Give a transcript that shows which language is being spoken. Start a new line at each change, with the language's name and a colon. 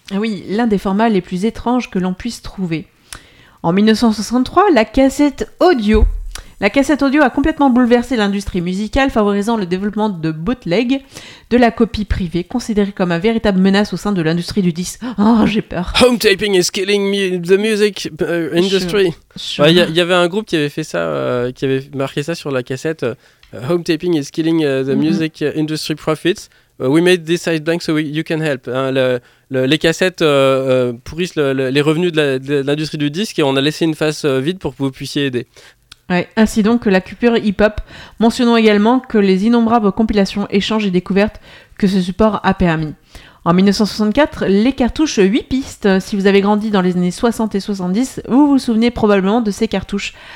French: Oui, l'un des formats les plus étranges que l'on puisse trouver. En 1963, la cassette audio a complètement bouleversé l'industrie musicale, favorisant le développement de bootleg, de la copie privée, considérée comme une véritable menace au sein de l'industrie du disque. Oh, j'ai peur.
English: Home taping is killing the music industry. Sure.
French: Ouais, y avait un groupe qui avait fait ça, qui avait marqué ça sur la cassette.
English: Home taping is killing the music industry profits. We made this side blank so you can help.
French: Hein, les cassettes pourrissent les revenus de l'industrie du disque et on a laissé une face vide pour que vous puissiez aider. Ouais, ainsi donc la culture hip-hop. Mentionnons également que les innombrables compilations, échanges et découvertes que ce support a permis. En 1964, les cartouches 8 pistes. Si vous avez grandi dans les années 60 et 70, vous vous souvenez probablement de ces cartouches.